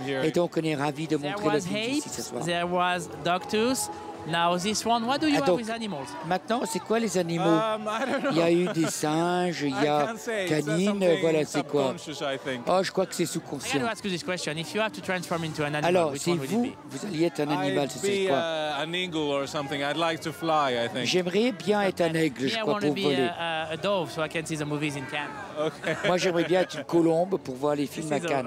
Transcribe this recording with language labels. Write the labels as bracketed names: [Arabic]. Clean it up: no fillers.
[French] Et donc on est ravi de montrer le film ici ce soir. [English] There was Doctus. Now this one, what do you have with animals? [French] Maintenant, c'est quoi les animaux? Il y a eu des singes, il y a canines, voilà, c'est quoi? Oh, je crois que c'est sous-conscient. [English] I'm going to ask you this question. If you have to transform into an animal, [French] alors, [English] which one would you be? [French] Vous alliez être un animal, ce serait quoi? [English] An eagle or something. I'd like to fly, I think. [French] J'aimerais bien être un aigle, je crois, pour voler. [English] I want to be a dove, so I can see the movies in Cannes. [French] Moi, j'aimerais bien être une colombe pour voir les films à Cannes.